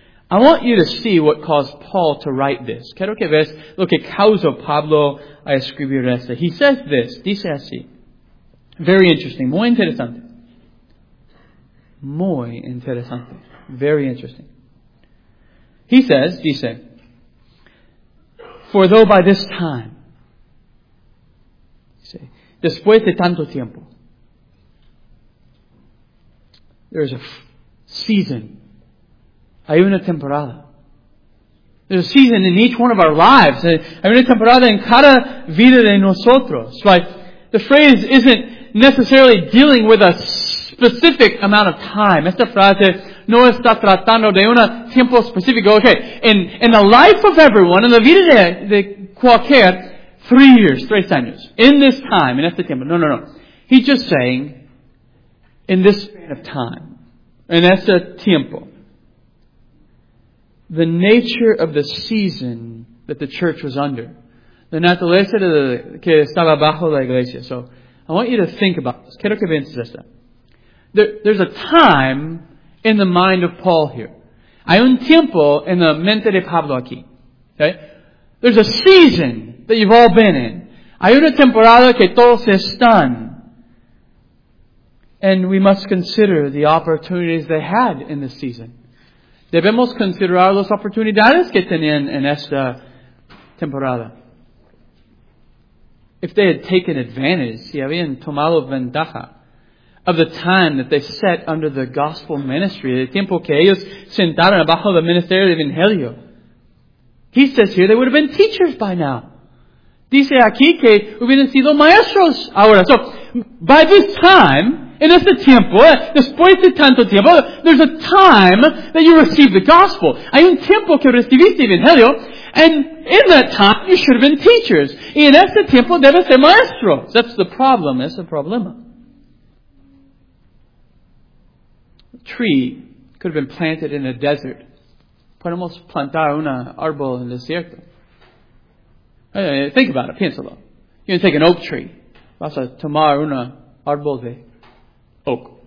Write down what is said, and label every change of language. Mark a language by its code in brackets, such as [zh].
[en] I want you to see what caused Paul to write this. [es] Quiero que veas lo que causó Pablo a escribir esto. [en] He says this, [es] dice así. [en] Very interesting, [es] muy interesante. Muy interesante, [en] very interesting. He says, dice, for though by this time, [es] después de tanto tiempo, [en] there's a season. [es] Hay una temporada. [en] There's a season in each one of our lives. [es] Hay una temporada en cada vida de nosotros. [en] Right? The phrase isn't necessarily dealing with a specific amount of time. [es] Esta frase no está tratando de un tiempo específico. [en] Okay, in the life of everyone, in [es] la vida de cualquier, [en] 3 years, 3 años. In this time, in [es] este tiempo. [en] No. He's just saying, in this span of time, in [es] este tiempo, [en] the nature of the season that the church was under, the [es] naturaleza de que estaba bajo la iglesia. [en] So, I want you to think about this. [es] Quiero que pienses esto. [en] There's a time in the mind of Paul here. [es] Hay un tiempo en la mente de Pablo aquí. [en] Okay? There's a season that you've all been in. [es] Hay una temporada que todos están. [en] And we must consider the opportunities they had in this season. [es] Debemos considerar las oportunidades que tenían en esta temporada. [en] If they had taken advantage, [es] si habían tomado ventaja, [en] of the time that they set under the gospel ministry, [es] el tiempo que ellos sentaron bajo el ministerio del Evangelio, [en] he says here they would have been teachers by now. [es] Dice aquí que hubieran sido maestros ahora. [en] So, by this time, in [es] este tiempo, después de tanto tiempo, [en] there's a time that you receive the gospel. Hay un tiempo que recibiste el Evangelio, and in that time, you should have been teachers. [es] Y en este tiempo, debes ser maestros. [en] That's the problem. That's the problema. A tree could have been planted in a desert. [es] Podemos plantar un árbol en el desierto. [en] Think about it. [es] Piénsalo. [en] You can take an oak tree. [es] Vas a tomar un árbol de oak.